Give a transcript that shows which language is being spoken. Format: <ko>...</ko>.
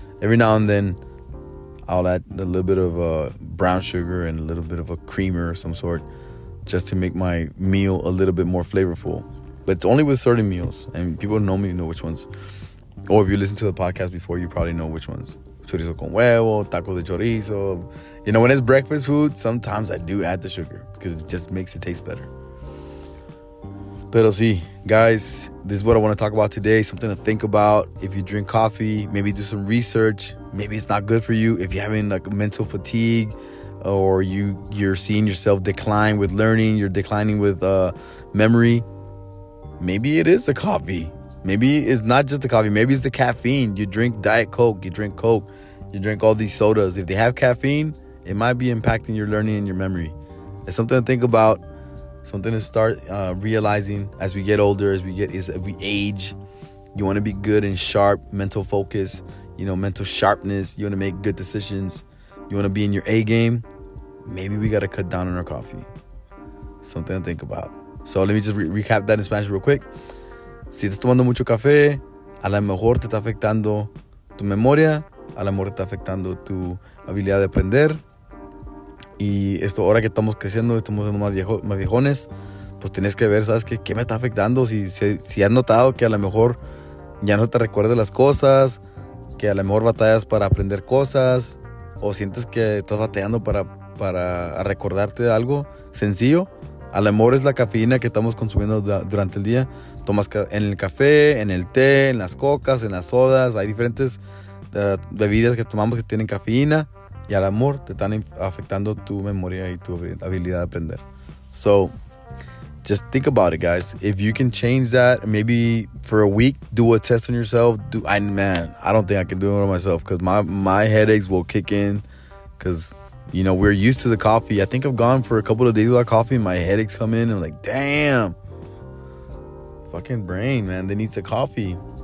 <en>Every now and then, I'll add a little bit of brown sugar and a little bit of a creamer of some sort, just to make my meal a little bit more flavorful. But it's only with certain meals, and people know me, know which ones. Or if you listen to the podcast before, you probably know which ones.</en> <es>Chorizo con huevo, taco de chorizo.</es> <en>You know, when it's breakfast food, sometimes I do add the sugar because it just makes it taste better.</en> <es>Pero sí,</es> <en>guys, this is what I want to talk about today. Something to think about. If you drink coffee, maybe do some research. Maybe it's not good for you. If you're having like mental fatigue, or you're seeing yourself decline with learning, you're declining with memory, maybe it is the coffee. Maybe it's not just the coffee. Maybe it's the caffeine. You drink Diet Coke. You drink Coke. You drink all these sodas. If they have caffeine, it might be impacting your learning and your memory. It's something to think about. Something to start realizing as we get older, as we age. You want to be good and sharp, mental focus, you know, mental sharpness. You want to make good decisions. You want to be in your A game. Maybe we got to cut down on our coffee. Something to think about. So let me just recap that in Spanish real quick.</en> <es>Si estás tomando mucho café, a lo mejor te está afectando tu memoria, a lo mejor te está afectando tu habilidad de aprender. Y esto, ahora que estamos creciendo, estamos más viejones, pues tienes que ver, ¿sabes qué? ¿Qué me está afectando? Si has notado que a lo mejor ya no te recuerdas las cosas, que a lo mejor batallas para aprender cosas, o sientes que estás batallando para recordarte algo sencillo, a lo mejor es la cafeína que estamos consumiendo durante el día. Tomas en el café, en el té, en las cocas, en las sodas. Hay diferentes bebidas que tomamos que tienen cafeína. Y al amor, te están afectando tu memoria y tu habilidad de aprender.</es> <en>So, just think about it, guys. If you can change that, maybe for a week, do a test on yourself. I don't think I can do it on myself, because my headaches will kick in. Because, you know, we're used to the coffee. I think I've gone for a couple of days without coffee and my headaches come in. And I'm like, damn. Fucking brain, man. They need some coffee.</en>